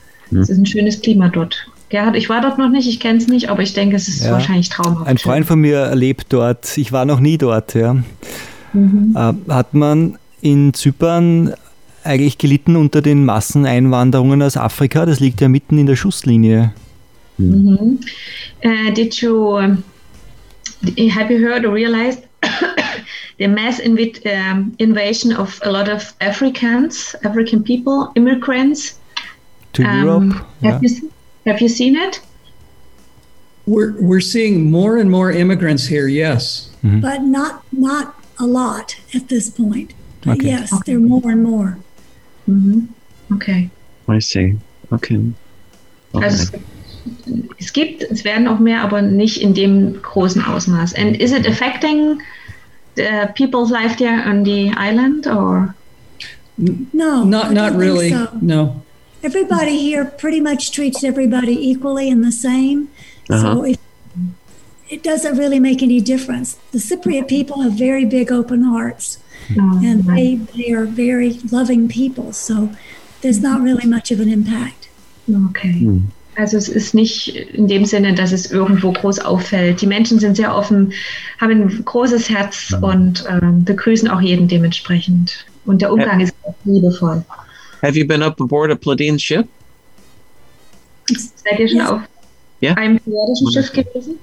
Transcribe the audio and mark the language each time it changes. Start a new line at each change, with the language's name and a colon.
German: Es ist ein schönes Klima dort. Gerhard, ich war dort noch nicht, ich kenne es nicht, aber ich denke, es ist wahrscheinlich traumhaft. Ein Freund von mir lebt dort. Ich war noch nie dort. Ja. Hat man in Zypern eigentlich gelitten unter den Masseneinwanderungen aus Afrika? Das liegt ja mitten in der Schusslinie.
English: Have you heard or realized the mass invasion of a lot of Africans, African people, immigrants? To Europe? Have you seen it? We're seeing more and more immigrants here, yes. Mm-hmm. But not a lot at this point. Okay. Yes, okay. There are more and more. Mm-hmm. Okay. I see. Okay.
German: Also, es gibt, es werden auch mehr, aber nicht in dem großen Ausmaß.
English: And is it affecting the people's life there on the island or? No, not really. So. No. Everybody here pretty much treats everybody equally and the same. Uh-huh. So it doesn't really make any difference. The Cypriot people have very big open hearts, mm-hmm. and they are very loving people. So there's not really much of an impact. Okay. Mm-hmm.
German: Also es ist nicht in dem Sinne, dass es irgendwo groß auffällt. Die Menschen sind sehr offen, haben ein großes Herz und begrüßen auch jeden dementsprechend. Und der Umgang ist liebevoll.
English: Have you been up aboard a Pleiadian ship?
German: Seid ihr schon auf einem Pleiadischen Schiff gewesen?